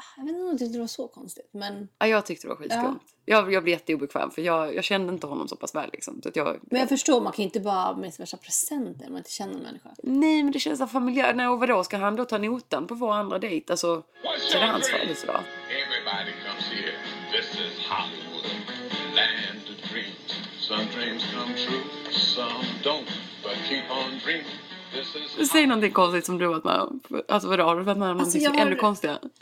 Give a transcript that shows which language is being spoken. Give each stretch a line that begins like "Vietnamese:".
Swedish: Jag vet inte om jag tyckte det var så konstigt, men. Ja, jag tyckte det var skitskumt. Ja. Jag blev jätteobekväm, för jag kände inte honom så pass väl, liksom. Så att jag. Men jag förstår, man kan inte bara med sin värsta presenter, man inte känner en människa. Nej, men det känns så familjärt. Nej, och vadå, ska han då ta notan på vår andra dejt? Alltså, så är det hans fall, så då.
English: Everybody comes here, this is Hollywood, land of dreams. Some dreams come true, some don't, but keep on dreaming.
Swedish: Säg någonting konstigt som du har varit med om. Alltså vad har du varit med om? Alltså, någonting ännu konstigare?